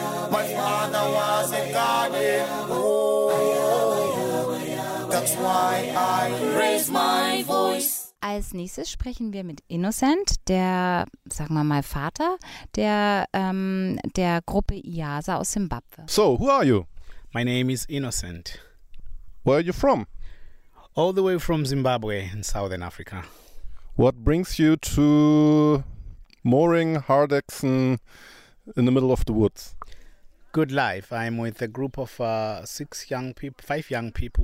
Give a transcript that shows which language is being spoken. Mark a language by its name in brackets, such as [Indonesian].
[English] My father was a garden boy. That's why I raise my voice. [German] Als nächstes sprechen wir mit Innocent, der, sagen wir mal, Vater der, der Gruppe IASA aus Zimbabwe. [English] So, who are you? My name is Innocent. Where are you from? All the way from Zimbabwe in Southern Africa. What brings you to Mooring Hardaxen in the middle of the woods? good life. I'm with a group of five young people.